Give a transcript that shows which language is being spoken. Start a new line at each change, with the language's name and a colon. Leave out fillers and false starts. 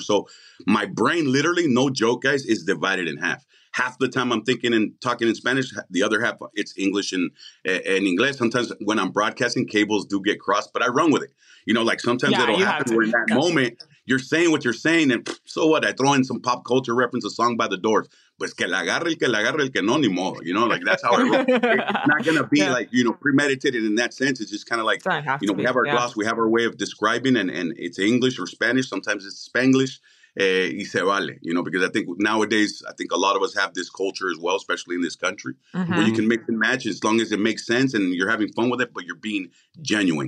English: So my brain, literally, no joke, guys, is divided in half. Half the time I'm thinking and talking in Spanish, the other half it's English and English. Sometimes when I'm broadcasting, cables do get crossed, but I run with it. You know, like sometimes it'll happen where in that moment you're saying what you're saying, and so what? I throw in some pop culture reference, a song by the Doors.
Spanish: Pues que la agarre el que no, ni modo.
English: You know, like that's how I roll. It's not going to be like, you know, premeditated in that sense. It's just kind of like, you know, we have our gloss, we have our way of describing, and it's English or Spanish. Sometimes it's Spanglish.
Spanish: Y se vale,
English: you know, because I think nowadays, I think a lot of us have this culture as well, especially in this country, where you can mix and match as long as it makes sense and you're having fun with it, but you're being genuine.